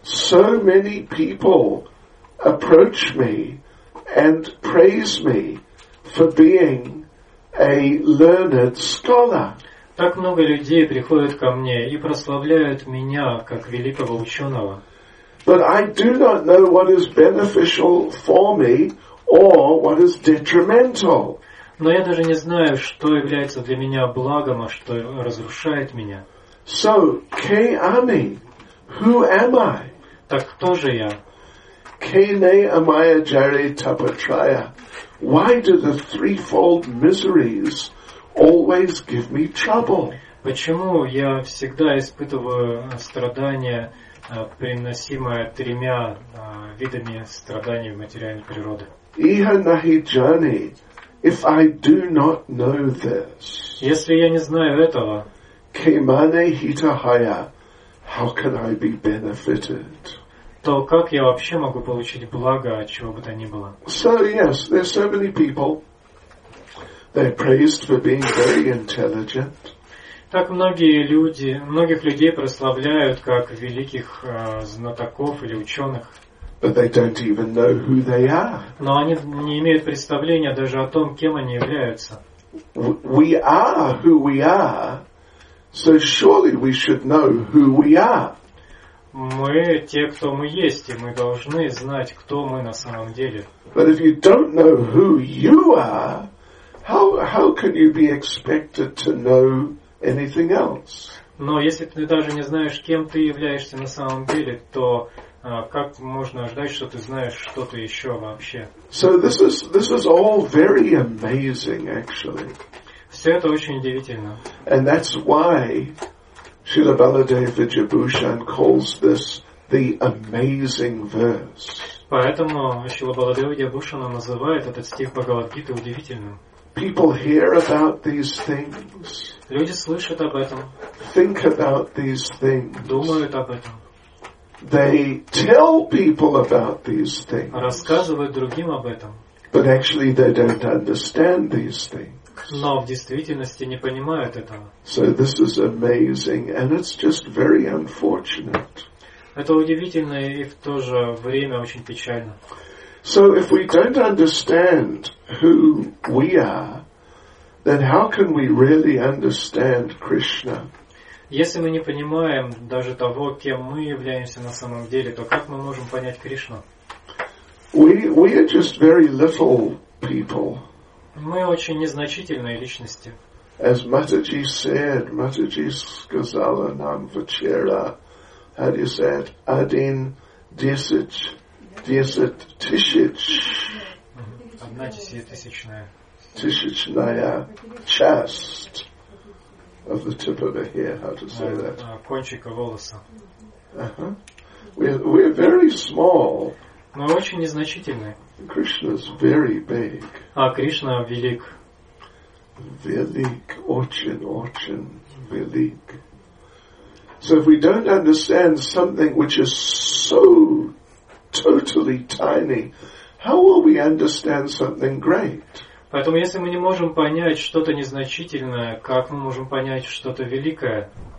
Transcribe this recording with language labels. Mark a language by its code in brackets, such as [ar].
[en] So many people approach me and praise me for being a learned scholar. [ru] Так много людей приходят ко мне и прославляют меня как великого ученого. [en] But I do not know what is beneficial for me or what is detrimental. [ru] Но я даже не знаю, что является для меня благом, а что разрушает меня. [en] So, [bn] ke ami, [en] who am I? [ru] Так кто же я? [bn] Ke ne amaya jare tapatraya. [en] Why do the threefold miseries always give me trouble? [ru] Почему я всегда испытываю страдания, приносимые тремя видами страданий в материальной природе? [bn] Иха нахи джани, [en] if I do not know this. [ru] Если я не знаю этого. [bn] Кеймане хитахая, [en] how can I be benefited? [ru] То как я вообще могу получить благо от чего бы то ни было? [en] So yes, there's so many people. They're praised for being very intelligent. [ru] Так многие люди, многих людей прославляют как великих знатоков или ученых. [en] But they don't even know who they are. [ru] Но они не имеют представления даже о том, кем они являются. [en] We are who we are, so surely we should know who we are. [ru] Мы те, кто мы есть, и мы должны знать, кто мы на самом деле. [en] But if you don't know who you are, how can you be expected to know anything else? [ru] Но если ты даже не знаешь, кем ты являешься на самом деле, то как можно ожидать, что ты знаешь что-то еще вообще? [en] So this is all very amazing, actually. [ru] Все это очень удивительно. [en] And that's why Srila Baladeva Vidyabhushan calls this the amazing verse. [ru] Поэтому Шрила Баладева Бушана называет этот стих Бхагавад-гиты удивительным. [en] People hear about these things. [ru] Люди слышат об этом. [en] Think about these things. [ru] Думают об этом. [en] They tell people about these things. [ru] Рассказывают другим об этом. [en] But actually they don't understand these things. [ru] Но в действительности не понимают этого. [en] So this is amazing, and it's just very unfortunate. [ru] Это удивительно и в то же время очень печально. [en] So if we don't understand who we are, then how can we really understand Krishna? [ru] Если мы не понимаем даже того, кем мы являемся на самом деле, то как мы можем понять Кришну? [en] We are just very little people. [ru] Мы очень незначительные личности. [en] As Mataji said, Mataji [ru] сказала нам вчера, [en] how do you say it? [ru] Один десять, десять тысяч. Одна десятитысячная. Тысячная часть. [en] Of the tip of the hair, how to say that? [ru] Кончика волоса. [en] We're very small. [ru] Мы очень незначительны. [en] Krishna's very big. [ru] А Кришна велик. Велик, очень, очень велик. [en] So if we don't understand something which is so totally tiny, how will we understand something great? [ru] Поэтому, если мы не можем понять что-то незначительное, как мы можем понять что-то великое?